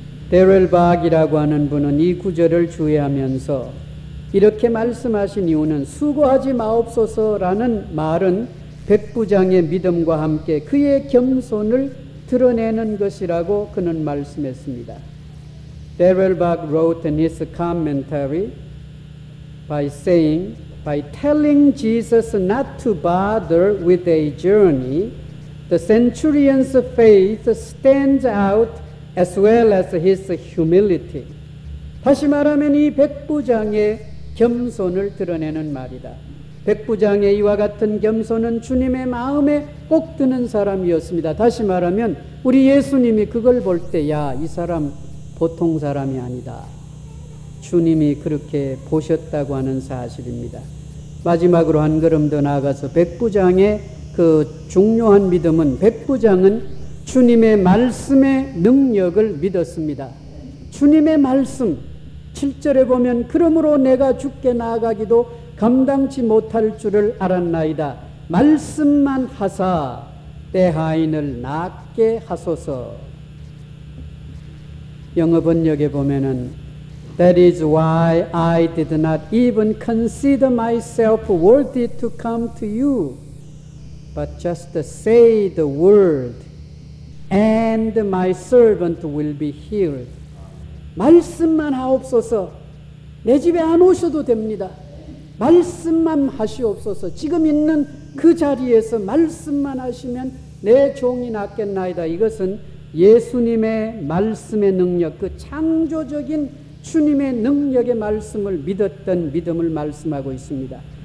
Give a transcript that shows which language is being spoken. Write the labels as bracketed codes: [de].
[ko] 데렐 박이라고 하는 분은 이 구절을 주의하면서 이렇게 말씀하신 이유는, 수고하지 마옵소서라는 말은 백부장의 믿음과 함께 그의 겸손을 드러내는 것이라고 그는 말씀했습니다. [en] Daryl Buck wrote in his commentary by telling Jesus not to bother with a journey, the centurion's faith stands out as well as his humility. [ko] 다시 말하면 이 백부장의 겸손을 드러내는 말이다. 백부장의 이와 같은 겸손은 주님의 마음에 꼭 드는 사람이었습니다. 다시 말하면 우리 예수님이 그걸 볼 때, 야, 이 사람 보통 사람이 아니다, 주님이 그렇게 보셨다고 하는 사실입니다. 마지막으로 한 걸음 더 나아가서 백부장의 그 중요한 믿음은, 백부장은 주님의 말씀의 능력을 믿었습니다. 주님의 말씀, 7절에 보면 그러므로 내가 죽게 나아가기도 감당치 못할 줄을 알았나이다. 말씀만 하사 내 하인을 낫게 하소서. 영어 번역에 보면은 [en] That is why I did not even consider myself worthy to come to you, but just say the word, and my servant will be healed. [ko] 말씀만 하옵소서. 내 집에 안 오셔도 됩니다. 말씀만 하시옵소서. 지금 있는 그 자리에서 말씀만 하시면 내 종이 낫겠나이다. 이것은 예수님의 말씀의 능력, 그 창조적인 주님의 능력의 말씀을 믿었던 믿음을 말씀하고 있습니다.